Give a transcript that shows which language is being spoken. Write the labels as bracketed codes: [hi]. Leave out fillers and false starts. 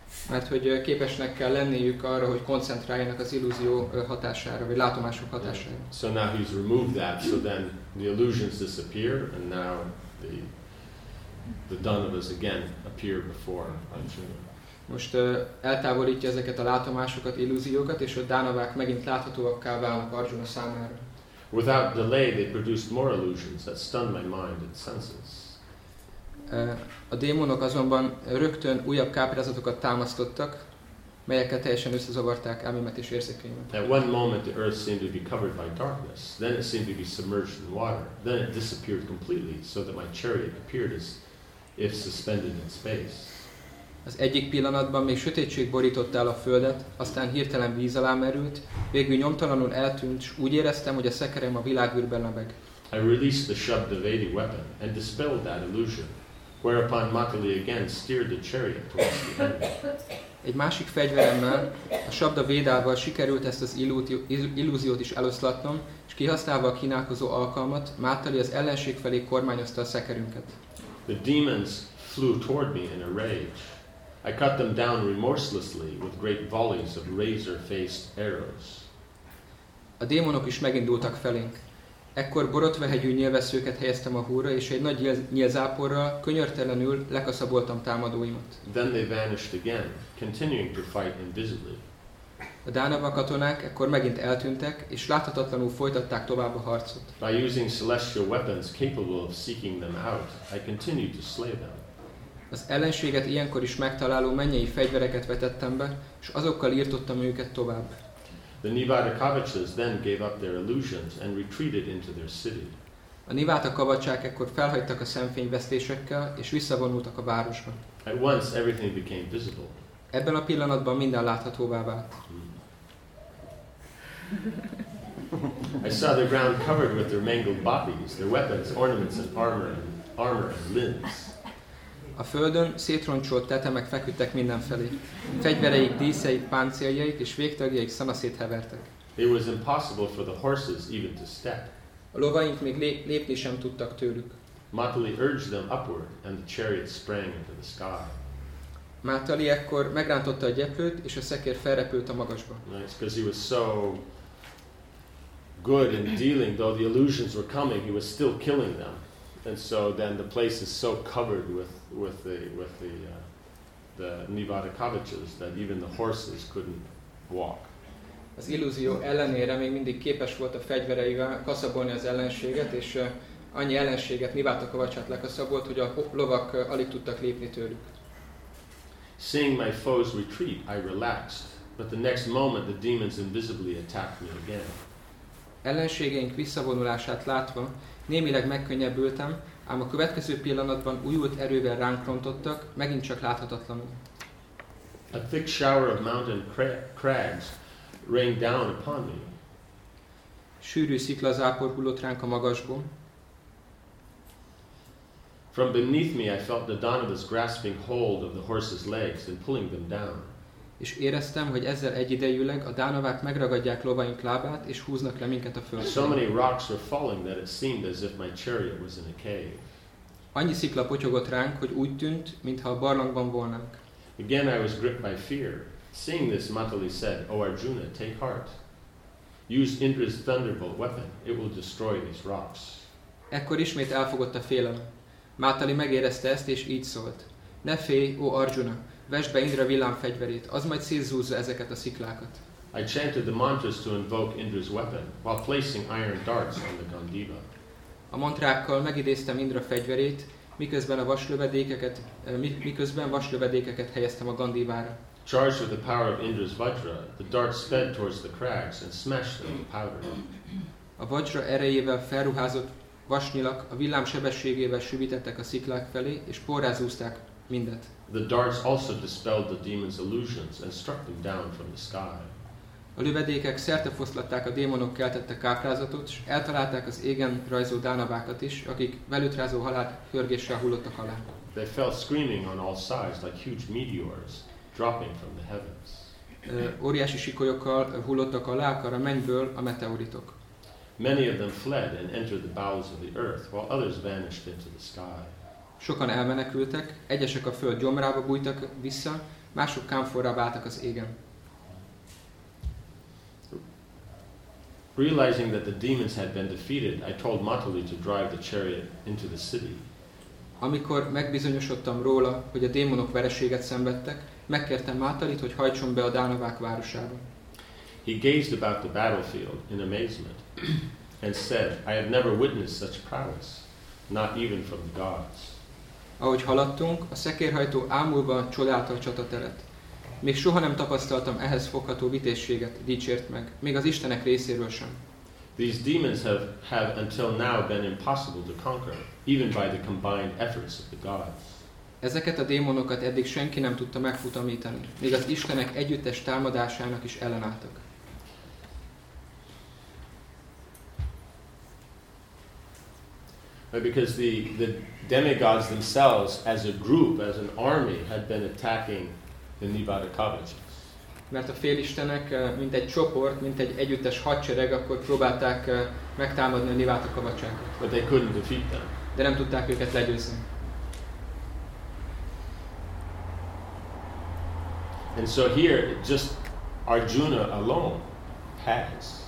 [hu] Mert hogy képesnek kell lenniük arra, hogy koncentráljanak az illúzió hatására, vagy látomások hatására. [en] So now he's removed that, so then the illusions disappear, and now the Danavas again appear before Arjuna. [hu] Most eltávolítja ezeket a látomásokat, illúziókat, és a Danavák megint láthatóakká válnak Arjuna számára. [en] Without delay, they produced more illusions that stunned my mind and senses. [hu] A démonok azonban rögtön újabb káprázatokat támasztottak, melyekkel teljesen összezavarták elmémet és érzékeimet. [en] At one moment, the earth seemed to be covered by darkness. Then it seemed to be submerged in water. Then it disappeared completely, so that my chariot appeared as if suspended in space. [hu] Az egyik pillanatban még sötétség borította el a földet, aztán hirtelen víz alá merült, végül nyomtalanul eltűnt, s úgy éreztem, hogy a szekerem a világűrben lebeg. [en] I released the Shabda Vedi weapon and dispelled that illusion, whereupon Matali again steered the chariot towards the enemy. [hu] Egy másik fegyveremmel, a Shabda Vedával sikerült ezt az illúziót is eloszlatnom, és kihasználva a kínálkozó alkalmat, Matali az ellenség felé kormányozta a szekerünket. [en] The demons flew toward me in a rage. I cut them down remorselessly with great volleys of razor-faced arrows. [hu] A démonok is megindultak felénk. Ekkor borotvahegyű nyilvesszőket helyeztem a húra, és egy nagy nyilzáporral könyörtelenül lekaszaboltam támadóimat. [en] Then they vanished again, continuing to fight invisibly. [hu] A dánava katonák ekkor megint eltűntek, és láthatatlanul folytatták tovább a harcot. [en] By using celestial weapons capable of seeking them out, I continued to slay them. [hu] Az ellenséget ilyenkor is megtaláló mennyei fegyvereket vetettem be, és azokkal írtottam őket tovább. [en] The Nivata Kavachas then gave up their illusions and retreated into their city. [hu] A Nivata Kavachák ekkor felhagytak a szemfényvesztésekkel, és visszavonultak a városba. [en] At once everything became visible. [hu] Ebben a pillanatban minden láthatóvá vált. [en] I saw the ground covered with their mangled bodies, their weapons, ornaments and armor and limbs. [hu] A földön szétroncsolt tetemek feküdtek mindenfelé. Fegyvereik, díszeik, páncéljaik és végtagjaik szanaszét hevertek. [en] It was impossible for the horses even to step. [hu] A lovaink még lépni sem tudtak tőlük. [en] Matali urged them upward and the chariot sprang into the sky. [hu] Matali ekkor megrántotta a gyeplőt és a szekér felrepült a magasba. [en] It's because he was so good in dealing, though the illusions were coming, he was still killing them. And so then the place is so covered with the Nivada cottages that even the horses couldn't walk. [hu] Az illúzió ellenére még mindig képes volt a fegyvereivel kaszabolni az ellenséget, és annyi ellenséget Nivada kovácsát lekaszabolt, hogy a lovak alig tudtak lépni tőlük. [en] Seeing my foes retreat, I relaxed, but the next moment the demons invisibly attacked me again. [hu] Ellenségeink visszavonulását látva, némileg megkönnyebbültem, ám a következő pillanatban újult erővel ránk rontottak, megint csak láthatatlanul. [en] A thick shower of mountain crags rained down upon me. [hu] Sűrű sziklazápor hullott ránk a magasból. [en] From beneath me I felt the Donovas grasping hold of the horse's legs and pulling them down. [hu] És éreztem, hogy ezzel egyidejűleg a dánovák megragadják lovaink lábát és húznak le minket a földre. [en] So many rocks were falling that it seemed as if my chariot was in a cave. [hu] Annyi szikla potyogott ránk, hogy úgy tűnt, mintha a barlangban volnánk. [en] Again I was gripped by fear. Seeing this, Matali said, "O Arjuna, take heart. Use Indra's thunderbolt weapon. It will destroy these rocks." [hu] Ekkor ismét elfogott a félelem. Matali megérezte ezt és így szólt: "Ne félj, ó Arjuna. Vesd be Indra villámfegyverét, az majd szétzúzza ezeket a sziklákat." [en] I chanted the mantras to invoke Indra's weapon while placing iron darts on the Gandiva. [hu] A mantrákkal megidéztem Indra fegyverét, miközben vaslövedékeket helyeztem a Gandivára. [en] Charged with the power of Indra's vajra, the darts sped towards the crags and smashed them to powder. [hu] A vajra erejével felruházott vasnyilak a villám sebességével sűvítettek a sziklák felé és porrá zúzták mindet. [en] The darts also dispelled the demons' illusions and struck them down from the sky. [hu] A lövedékek szertefoszlatták a démonok keltette káprázatot, és eltalálták az égen rajzó dánavákat is, akik velütrázó halált hörgéssel hullottak alá. [en] They fell screaming on all sides like huge meteors dropping from the heavens. [hu] Óriási sikolyokkal hullottak alá, akár a mennyből a meteoritok. [en] Many of them fled and entered the bowels of the earth, while others vanished into the sky. [hu] Sokan elmenekültek, egyesek a föld gyomrába bújtak vissza, mások kámforrá váltak az égen. [en] Realizing that the demons had been defeated, I told Matali to drive the chariot into the city. [hu] Amikor megbizonyosodtam róla, hogy a démonok vereséget szenvedtek, megkértem Matalit, hogy hajtson be a dánovák városába. [en] He gazed about the battlefield in amazement and said, "I have never witnessed such prowess, not even from the gods." [hu] Ahogy haladtunk, a szekérhajtó ámulva csodálta a csatateret. Még soha nem tapasztaltam ehhez fogható vitézséget, dicsért meg, még az Istenek részéről sem. [en] These demons have until now been impossible to conquer, even by the combined efforts of the gods. [hu] Ezeket a démonokat eddig senki nem tudta megfutamítani, még az Istenek együttes támadásának is ellenálltak. [en] Because the demigods themselves, as a group, as an army, had been attacking the Nivada cottages. [hu] Mert a félistenek, mint egy csoport, mint egy együttes hadsereg, akkor próbálták megtámadni a Nivada kovácsokat. [en] But they couldn't defeat them. [hu] De nem tudták őket legyőzni. [en] And so here, just Arjuna alone has.